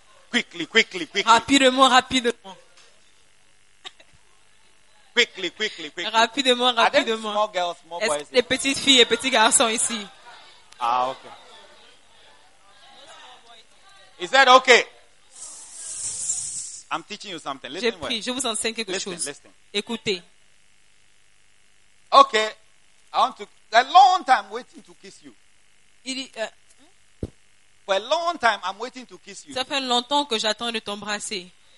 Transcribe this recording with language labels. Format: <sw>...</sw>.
<en>Quickly, quickly, quickly.</en> <fr>Rapidement, rapidement.</fr> <en>Quickly, quickly, quickly.</en> <fr>Rapidement, rapidement.</fr> <en>Small girls, small boys.</en> <fr>Les petites filles et petits garçons ici.</fr> <en>Ah, okay. Is that okay? I'm teaching you something. Listen.</en> <fr>J'ai pris,</fr> <en>well.</en> <fr>Je vous enseigne quelque</fr> <en>listen,</en> <fr>chose.</fr> <en>Listen.</en> <fr>Écoutez.</fr> <en>Okay. I want to. A long time waiting to kiss you. For a long time, I'm waiting to kiss you.</en> <fr>Ça fait longtemps que j'attends de t'embrasser.</fr>